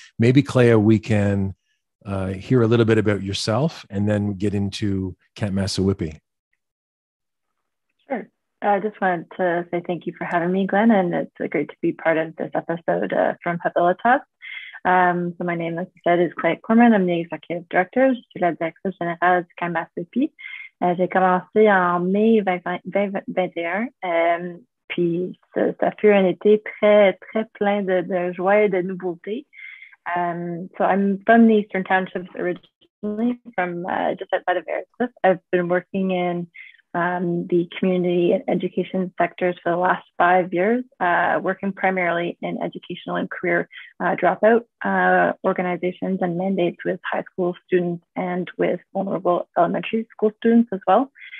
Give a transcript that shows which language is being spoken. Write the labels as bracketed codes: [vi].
[en] Maybe, Clea, we can hear a little bit about yourself and then get into Camp Massawippi. I just wanted to say thank you for having me, Glenn, and it's great to be part of this episode from Habilitas. So my name, as you said, is Clea Corman. I'm the executive director, [fr] je suis la directrice générale du Camp Massawippi. J'ai commencé en mai 2021, puis ça fut un été très, très plein de joie et de nouveautés. [en] So I'm from the Eastern Townships originally, from just outside of Aircliff. I've been working in the community and education sectors for the last 5 years, working primarily in educational and career dropout organizations and mandates with high school students and with vulnerable elementary school students as well.